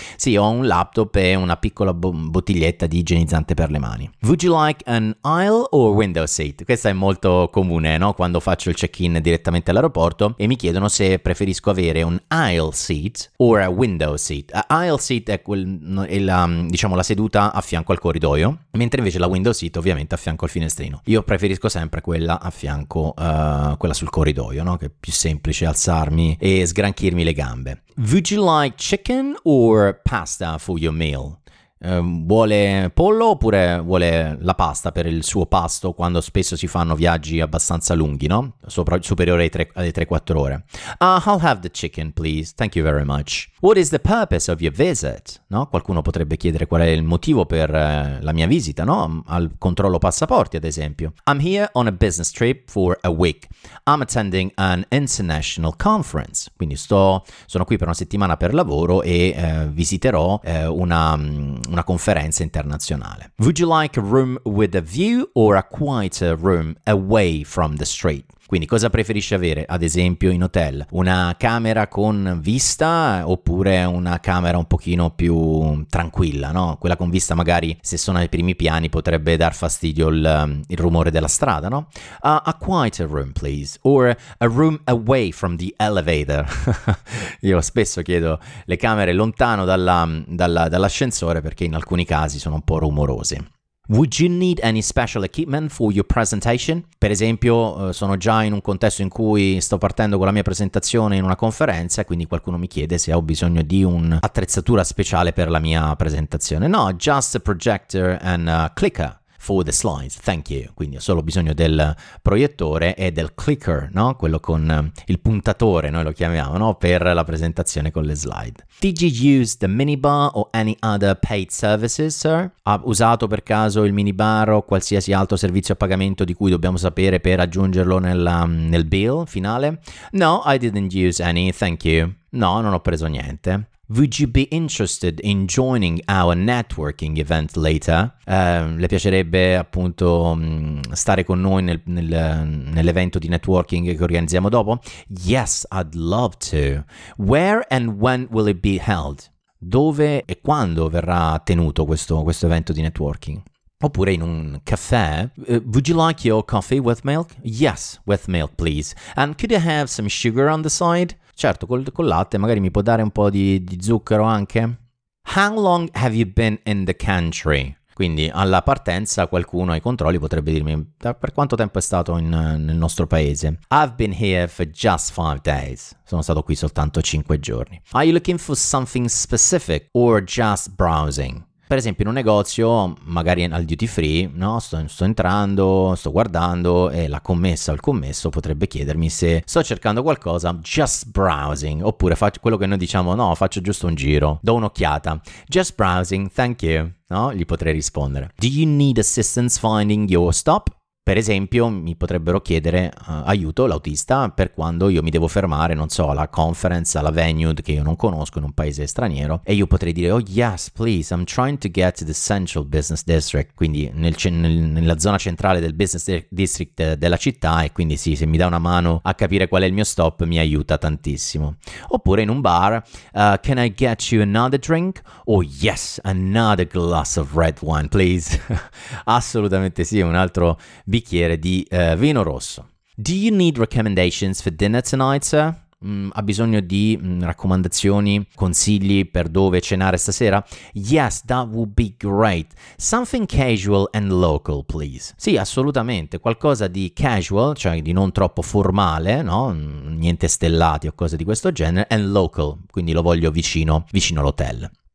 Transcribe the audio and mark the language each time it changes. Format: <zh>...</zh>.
<it>Sì, ho un laptop e una piccola bottiglietta di igienizzante per le mani.</it> <en>Would you like an aisle or window seat?</en> <it>Questa è molto comune, no? Quando faccio il check-in direttamente all'aeroporto e mi chiedono se preferisco avere un</it> <en>aisle seat or a window seat.</en> <it>Aisle seat è la seduta a fianco al corridoio, mentre invece la window seat ovviamente a fianco al finestrino. Io preferisco sempre quella a fianco, quella sul corridoio. No? Che è più semplice alzarmi e sgranchirmi le gambe.</it> <en>Would you like chicken or pasta for your meal?</en> <it>Vuole pollo oppure vuole la pasta per il suo pasto, quando spesso si fanno viaggi abbastanza lunghi, no? Superiore alle 3-4 ore.</it> <en>I'll have the chicken, please. Thank you very much. What is the purpose of your visit? No?</en> <it>Qualcuno potrebbe chiedere qual è il motivo per la mia visita, no? Al controllo passaporti, ad esempio.</it> <en>I'm here on a business trip for a week. I'm attending an international conference.</en> <it>Quindi sono qui per una settimana per lavoro e visiterò una conferenza internazionale.</it> <en>Would you like a room with a view or a quieter room away from the street?</en> <it>Quindi cosa preferisci avere, ad esempio in hotel? Una camera con vista oppure una camera un pochino più tranquilla, no? Quella con vista magari se sono ai primi piani potrebbe dar fastidio il rumore della strada, no?</it> <en>A quieter room, please. Or a room away from the elevator.</en> <it>Io spesso chiedo le camere lontano dall'ascensore perché in alcuni casi sono un po' rumorose.</it> <en>Would you need any special equipment for your presentation?</en> <it>Per esempio, sono già in un contesto in cui sto partendo con la mia presentazione in una conferenza, quindi qualcuno mi chiede se ho bisogno di un'attrezzatura speciale per la mia presentazione.</it> <en>No, just a projector and a clicker for the slides, thank you.</en> <it>Quindi ho solo bisogno del proiettore e del clicker, no? Quello con il puntatore, noi lo chiamiamo, no? Per la presentazione con le slide.</it> <en>Did you use the minibar or any other paid services, sir?</en> <it>Ha usato per caso il minibar o qualsiasi altro servizio a pagamento di cui dobbiamo sapere per aggiungerlo nel bill finale?</it> <en>No, I didn't use any, thank you.</en> <it>No, non ho preso niente.</it> <en>Would you be interested in joining our networking event later?</en> <it>Le piacerebbe appunto stare con noi nell'evento di networking che organizziamo dopo?</it> <en>Yes, I'd love to. Where and when will it be held?</en> <it>Dove e quando verrà tenuto questo evento di networking? Oppure in un caffè?</it> <en>Would you like your coffee with milk? Yes, with milk, please. And could I have some sugar on the side?</en> <it>Certo, col latte magari mi può dare un po' di zucchero anche.</it> <en>How long have you been in the country?</en> <it>Quindi alla partenza qualcuno ai controlli potrebbe dirmi per quanto tempo è stato nel nostro paese.</it> <en>I've been here for just 5 days.</en> <it>Sono stato qui soltanto 5 giorni.</it> <en>Are you looking for something specific or just browsing?</en> <it>Per esempio in un negozio, magari al duty free, no? Sto entrando, sto guardando e la commessa o il commesso potrebbe chiedermi se sto cercando qualcosa,</it> <en>just browsing,</en> <it>oppure faccio quello che noi diciamo, no, faccio giusto un giro, do un'occhiata,</it> <en>just browsing, thank you,</en> <it>no? Gli potrei rispondere.</it> <en>Do you need assistance finding your stop?</en> <it>Per esempio, mi potrebbero chiedere aiuto l'autista per quando io mi devo fermare, non so, alla conference, alla venue che io non conosco in un paese straniero, e io potrei dire,</it> <en>oh yes, please, I'm trying to get to the central business district,</en> <it>quindi nella zona centrale del business district della città, e quindi sì, se mi dà una mano a capire qual è il mio stop, mi aiuta tantissimo. Oppure in un bar,</it> <en>can I get you another drink? Oh yes, another glass of red wine, please.</en> <it>Assolutamente sì, un altro bicchiere di vino rosso.</it> <en>Do you need recommendations for dinner tonight, sir?</en> <it>Ha bisogno di raccomandazioni, consigli per dove cenare stasera?</it> <en>Yes, that would be great. Something casual and local, please.</en> <it>Sì, assolutamente. Qualcosa di casual, cioè di non troppo formale, no? Niente stellati o cose di questo genere,</it> <en>and local,</en> <it>quindi lo voglio vicino all'hotel.</it>